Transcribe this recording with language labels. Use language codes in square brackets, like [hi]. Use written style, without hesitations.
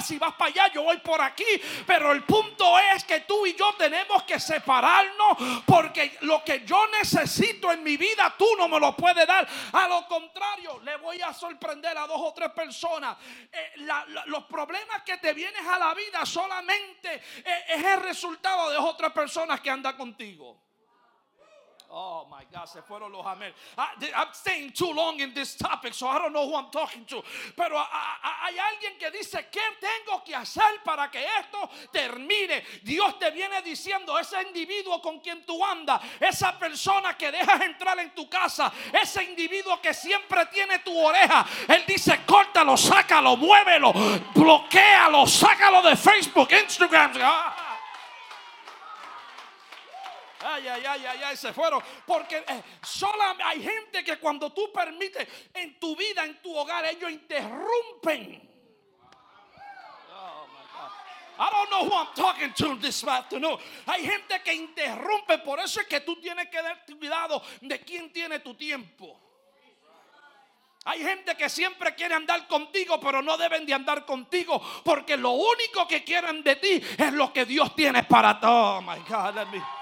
[es] Si vas para allá, yo voy por aquí. Pero el punto es que tú y yo tenemos que separarnos, porque lo que yo necesito en mi vida, tú no me lo puedes dar. A lo contrario, le voy a sorprender a 2 o 3 personas. Los problemas que te vienes a la vida solamente es el resultado de 2 o 3 personas que andan contigo. [en] Oh my God, [es] se fueron los amén. [en] I'm staying too long in this topic, so I don't know who I'm talking to. [es] Pero hay alguien que dice: ¿qué tengo que hacer para que esto termine? Dios te viene diciendo: ese individuo con quien tú andas, esa persona que dejas entrar en tu casa, ese individuo que siempre tiene tu oreja, Él dice: córtalo, sácalo, muévelo, bloquéalo, sácalo de Facebook, Instagram. Ah. Ay, ay, ay, ay, ay, se fueron. Porque sola hay gente que cuando tú permites en tu vida, en tu hogar, ellos interrumpen. [en] I don't know who I'm talking to this afternoon. [es] Hay gente que interrumpe. Por eso es que tú tienes que dar cuidado de quién tiene tu tiempo. Hay gente que siempre quiere andar contigo, pero no deben de andar contigo, porque lo único que quieren de ti es lo que Dios tiene para ti. [en] Oh my God, let me.